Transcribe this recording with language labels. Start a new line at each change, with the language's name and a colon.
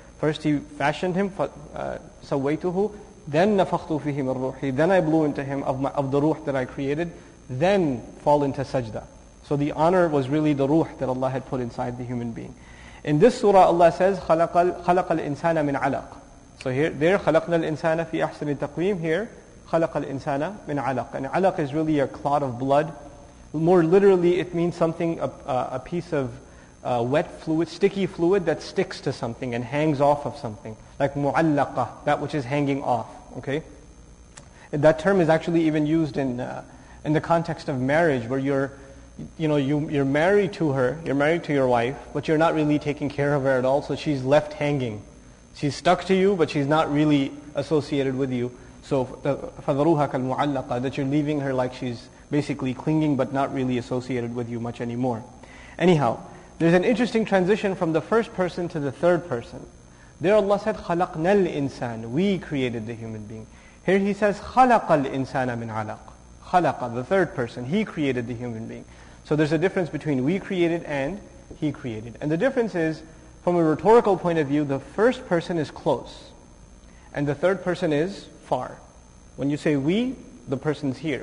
English: First He fashioned him, سَوَّيْتُهُ, then
Arabic: نَفَخْتُ فِيهِ مَنْ رُوحِي,
English: then I blew into him of the ruh that I created, then fall into sajda. So the honor was really the ruh that Allah had put inside the human being. In this surah Allah says,
Arabic: خَلَقَ الْإِنسَانَ مِنْ عَلَقٍ.
English: So there,
Arabic: خَلَقْنَا الْإِنسَانَ فِي أَحْسَنِ تَقْوِيمٍ. Here, خَلَقَ الْإِنسَانَ مِنْ عَلَقٍ.
English: And alaq is really a clot of blood. More literally, it means something, a piece of wet fluid, sticky fluid that sticks to something and hangs off of something, like mu'allaqa, that which is hanging off. Okay, and that term is actually even used in the context of marriage, where you're married to her, you're married to your wife, but you're not really taking care of her at all. So she's left hanging, she's stuck to you, but she's not really associated with you. So fadruha kal mu'allaqa, that you're leaving her like she's basically clinging, but not really associated with you much anymore. Anyhow. There's an interesting transition from the first person to the third person. There Allah said,
Arabic: خَلَقْنَا الْإِنسَانِ.
English: We created the human being. Here He says,
Arabic: خَلَقَ الْإِنسَانَ مِنْ عَلَقٍ.
English: خَلَقَ, the third person. He created the human being. So there's a difference between we created and He created. And the difference is, from a rhetorical point of view, the first person is close. And the third person is far. When you say we, the person's here.